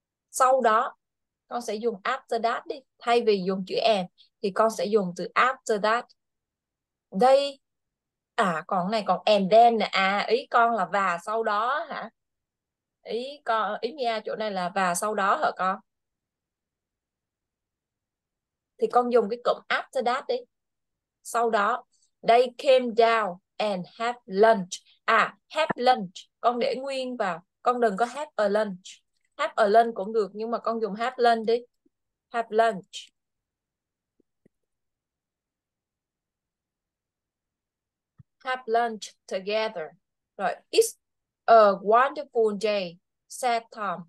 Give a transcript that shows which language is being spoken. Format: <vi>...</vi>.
<vi>Sau đó con sẽ dùng</vi> <en>after that</en> <vi>đi, thay vì dùng chữ am thì con sẽ dùng từ after that. Đây à, còn này còn</vi> <en>and then</en> <vi>nè. À, ý con là và sau đó hả? Ý con, ý nghĩa chỗ này là và sau đó hả con? Thì con dùng cái cụm</vi> <en>after that</en> <vi>đi. Sau đó,</vi> <en>they came down and have lunch.</en> <vi>À,</vi> <en>have lunch.</en> <vi>Con để nguyên vào. Con đừng có</vi> <en>have a lunch. Have a lunch</en> <vi>cũng được, nhưng mà con dùng</vi> <en>have lunch</en> <vi>đi. Have lunch.</vi> <en>Have lunch together.</en> <vi>Rồi,</vi> <en>it's a wonderful day, said Tom.</en>